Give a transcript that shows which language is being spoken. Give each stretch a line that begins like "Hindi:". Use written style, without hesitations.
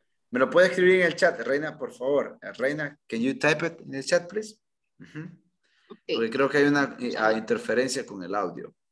Spanish: ¿Me lo puede escribir en el chat, Reina, por favor?
English: Reina, can you type it in the chat, please? Okay.
Spanish: Porque creo que hay una interferencia con el audio.